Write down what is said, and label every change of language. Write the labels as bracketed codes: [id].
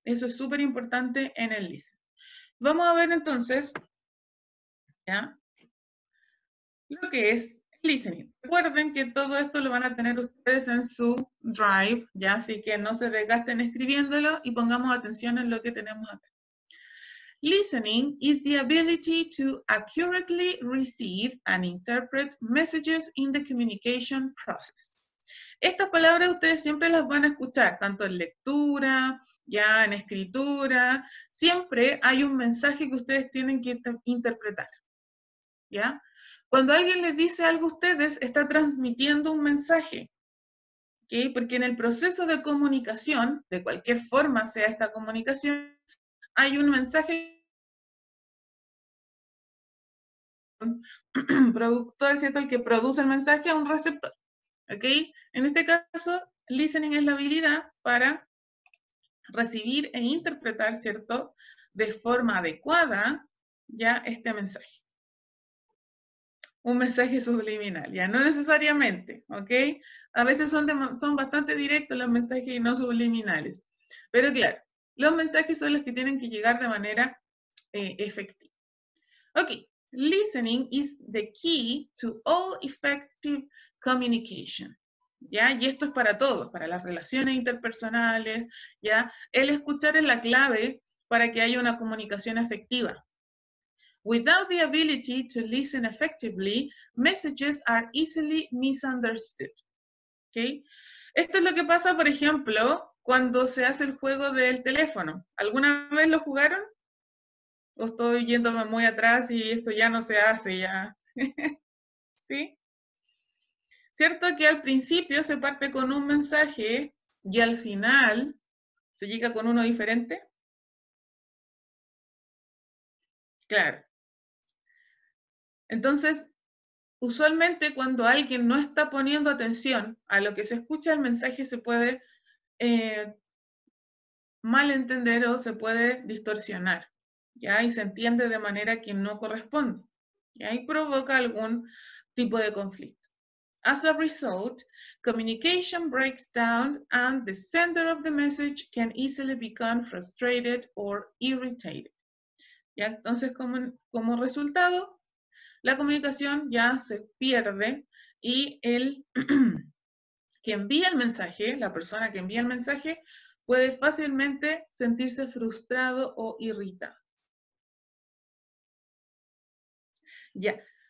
[es] Eso es súper importante en el listening. Vamos a ver entonces, ¿ya?, lo que es listening. Recuerden que todo esto lo van a tener ustedes en su Drive, ¿ya? Así que no se desgasten escribiéndolo y pongamos atención en lo que tenemos acá. [en] Listening is the ability to accurately receive and interpret messages in the communication process. [es] Estas palabras ustedes siempre las van a escuchar, tanto en lectura, ya en escritura. Siempre hay un mensaje que ustedes tienen que interpretar. ¿Ya? Cuando alguien les dice algo a ustedes, está transmitiendo un mensaje. ¿Okay? Porque en el proceso de comunicación, de cualquier forma sea esta comunicación, hay un mensaje productor, ¿cierto? El que produce el mensaje a un receptor. ¿Okay? En este caso, listening es la habilidad para recibir e interpretar, ¿cierto?, de forma adecuada ya este mensaje. Un mensaje subliminal, ya no necesariamente, ¿ok? A veces son bastante directos los mensajes y no subliminales. Pero claro, los mensajes son los que tienen que llegar de manera efectiva. [en] Ok, listening is the key to all effective communication. [es] ¿Ya? Y esto es para todos, para las relaciones interpersonales, ¿ya? El escuchar es la clave para que haya una comunicación efectiva. [en] Without the ability to listen effectively, messages are easily misunderstood. [es] ¿Okay? Esto es lo que pasa, por ejemplo, cuando se hace el juego del teléfono. ¿Alguna vez lo jugaron? O estoy yéndome muy atrás y esto ya no se hace, ya. ¿Sí? Cierto que al principio se parte con un mensaje y al final se llega con uno diferente. Claro. Entonces, usualmente cuando alguien no está poniendo atención a lo que se escucha, el mensaje se puede malentender o se puede distorsionar, ¿ya? Y se entiende de manera que no corresponde. Y ahí provoca algún tipo de conflicto. [en] As a result, communication breaks down and the sender of the message can easily become frustrated or irritated. [es] ¿Ya? Entonces, como resultado, la comunicación ya se pierde y el que envía el mensaje, la persona que envía el mensaje, puede fácilmente sentirse frustrado o irritado. Ya.